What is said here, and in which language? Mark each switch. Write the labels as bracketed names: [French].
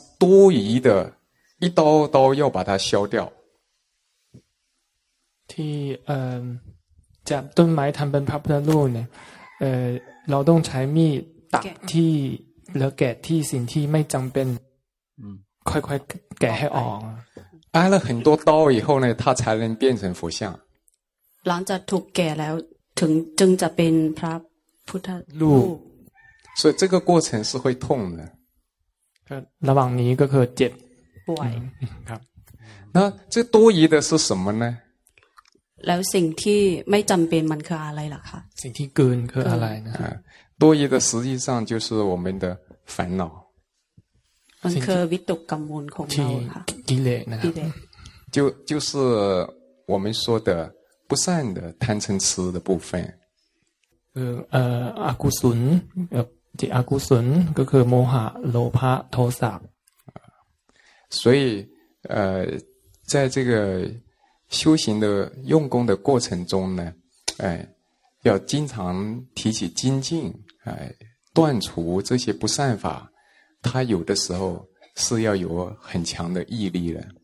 [Chinese] 多余的一刀刀要把它削掉 [Thai] ที่จับต้นไม้ทำเป็นพระพุทธรูปเนี่ยเราต้องใช้มีดตัดที่หรือแกะที่สิ่งที่ไม่จำเป็นค่อยๆแกะให้ออก [Chinese] 挨了很多刀以后呢它才能变成佛像 [Thai] หลังจากถูกแกะแล้วถึงจึงจะเป็นพระพุทธ รูป [Chinese] 所以这个过程是会痛的 [Thai] ระหว่างนี้ก็คือเจ็บ ป่วย ครับ [Chinese] 那这多余的是什么呢 [Thai] แล้วสิ่งที่ไม่จำเป็นมันคืออะไรล่ะคะ สิ่งที่เกินคืออะไรนะ [Chinese] 多余的实际上就是我们的烦恼 [Thai] มันคือวิตกกังวลของเราค่ะ กิเลสนะ [Chinese] 就是我们说的不善的贪嗔痴的部分 [Thai] อกุศลจิตอกุศลก็คือโมหะโลภะโทสะ [Chinese] 所以在这个修行的用功的过程中呢，哎，要经常提起精进，哎，断除这些不善法，它有的时候是要有很强的毅力的。